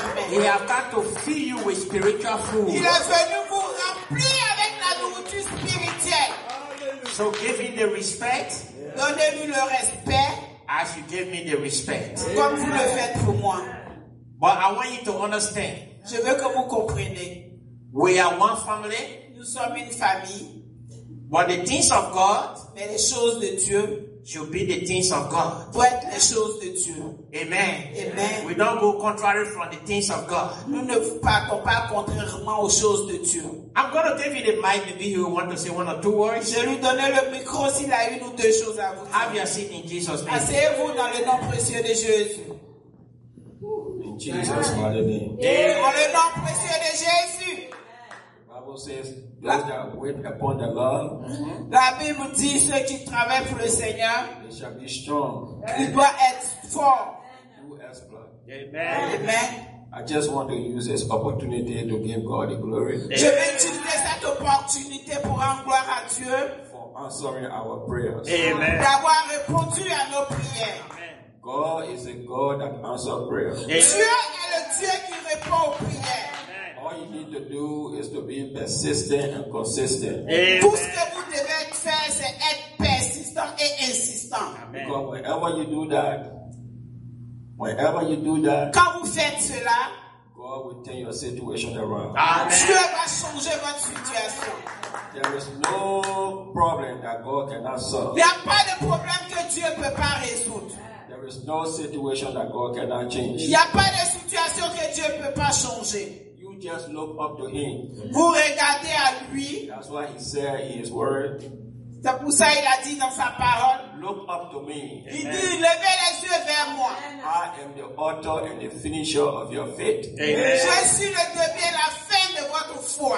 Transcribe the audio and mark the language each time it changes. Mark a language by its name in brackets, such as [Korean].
[English] He have come to fill you with spiritual food. [French] Il est venu vous remplir avec la nourriture spirituelle. [English] So give him the respect. [French] Donnez-lui le respect. [English] As you give me the respect. [French] Comme vous le faites pour moi. [English] But I want you to understand. [French] Je veux que vous compreniez. [English] We are one family. [French] Nous sommes une famille. [English] But the things of God. [French] Mais les choses de Dieu. [English] Should be the things of God. [French] Pour être les choses de Dieu. Amen. Amen. [English] We don't go contrary from the things of God. [French] Nous ne partons pas contrairement aux choses de Dieu. [English] I'm going to give you the mic. Maybe you want to say one or two words. [French] Je lui donnerai le micro s'il a une ou deux choses à vous dire. [English] Have your seat in Jesus' name. [French] Asseyez-vous dans le nom précieux de Jésus. [English] In Jesus' mighty name. [French] Dans le nom précieux de Jésus. [English] Says, that wait upon the Lord. [French] La Bible dit ceux qui travaillent pour le Seigneur. [English] They shall be strong. [French] Il doit être fort. Amen. [English] I just want to use this opportunity to give God the glory. [French] Je vais utiliser cette opportunité pour rendre gloire à Dieu. [English] For answering our prayers. Amen. [French] D'avoir répondu à nos prières. Amen. [English] God is a God that answers prayers. [French] Dieu est le Dieu qui répond aux prières. [English] All you need to do is to be persistent and consistent. [French] Tout ce que vous devez faire, c'est être persistant et insistant. [English] Amen. Because whenever you do that, [French] quand vous faites cela, [English] God will turn your situation around. Amen. [French] Dieu va changer votre situation. [English] There is no problem that God cannot solve. [French] Il n'y a pas de problème que Dieu ne peut pas résoudre. [English] There is no situation that God cannot change. [French] Il n'y a pas de situation que Dieu ne peut pas changer. [English] Just look up to him. [French] Vous regardez à lui. [English] That's why he said in his word. [French] C'est pour ça qu'il a dit dans sa parole. [English] Look up to me. [French] Il dit, levez les yeux vers moi. [English] I am the author and the finisher of your faith. Amen. [French] Je suis le début et la fin de votre foi.